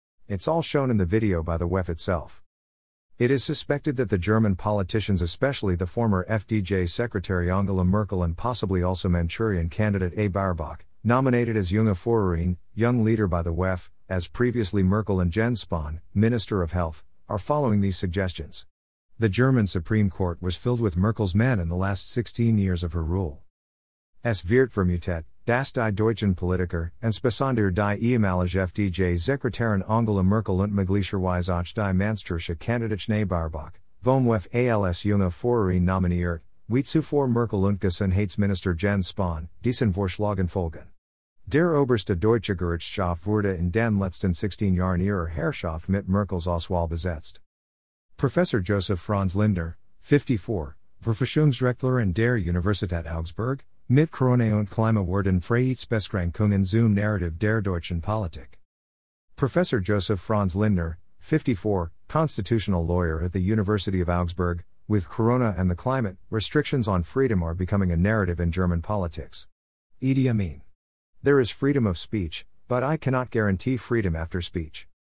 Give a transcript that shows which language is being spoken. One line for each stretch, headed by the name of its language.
English: It's all shown in the video by the WEF itself. It is suspected that the German politicians, especially the former FDJ secretary Angela Merkel and possibly also Manchurian candidate A. Baerbock, nominated as
German: junge Führerin,
English: young leader by the WEF, as previously Merkel and Jens Spahn, Minister of Health, are following these suggestions. The German Supreme Court was filled with Merkel's men in the last 16 years of her rule.
German: Es wird vermutet, dass die deutschen Politiker, und besonders die ehemalige FDJ-Sekretärin Angela Merkel und möglicherweise auch die Manstrische Kandidatin A. Baerbock, vom WEF als junge Führerin nominiert, wie zuvor Merkel und Gesundheitsminister Jens Spahn, diesen Vorschlagen folgen. Der oberste deutsche Gerichtshof wurde in den letzten 16 Jahren ihrer Herrschaft mit Merkels Auswahl besetzt. Professor Joseph Franz Lindner, 54, Verfassungsrechtler in der Universität Augsburg, mit Corona und Klima wurden freiets Beschränkungen zum Narrative der deutschen Politik.
English: Professor Joseph Franz Lindner, 54, constitutional lawyer at the University of Augsburg, with Corona and the climate, restrictions on freedom are becoming a narrative in German politics. Idi Amin. There is freedom of speech, but I cannot guarantee freedom after speech.